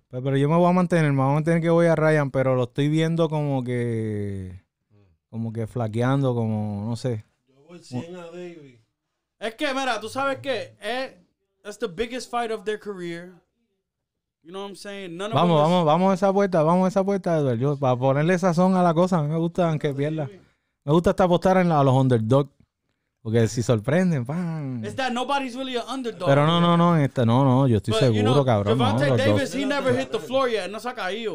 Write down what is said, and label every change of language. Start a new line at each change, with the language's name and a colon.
Spanish: Pero yo me voy a mantener que voy a Ryan, pero lo estoy viendo como que flaqueando, como, no sé. Yo voy 100 a Davis. Es que, mira, tú sabes que
English: that's the biggest fight of their career. You know what I'm saying?
Spanish: Vamos a esa puerta, Edward. Yo, para ponerle sazón a la cosa, a mí me gusta que pierda. Me gusta hasta apostar a los underdogs. Porque si sorprenden, pan. Es que
English: nobody's really an underdog.
Spanish: Pero no, no, yo estoy seguro, cabrón. Javonte no,
English: Davis, he never hit the floor yet,
Spanish: no se ha caído.